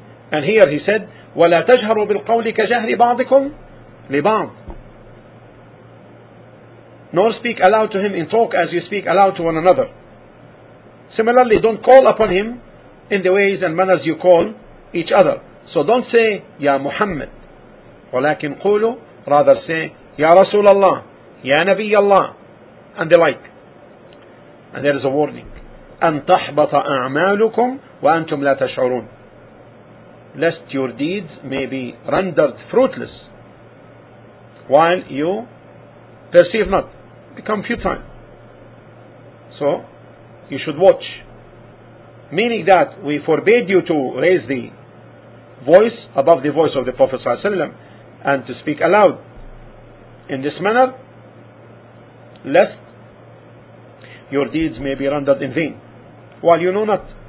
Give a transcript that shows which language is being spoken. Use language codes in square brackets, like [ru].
[en] And here He said, [ar] وَلَا تَجْهَرُوا بِالْقَوْلِ كَجَهْرِ بَعْضِكُمْ لِبَعْضٍ, [en] nor speak aloud to Him in talk as you speak aloud to one another. Similarly, don't call upon him in the ways and manners you call each other. So don't say, Ya Muhammad. [ar] ولكن قولوا, [en] rather say, Ya Rasul Allah, Ya Nabi Allah, and the like. And there is a warning. [ar] أن تحبط أعمالكم وأنتم لا تشعرون. [en] Lest your deeds may be rendered fruitless while you perceive not, become futile. So you should watch. Meaning that we forbade you to raise the voice above the voice of the Prophet ﷺ and to speak aloud in this manner, lest your deeds may be rendered in vain while you know not.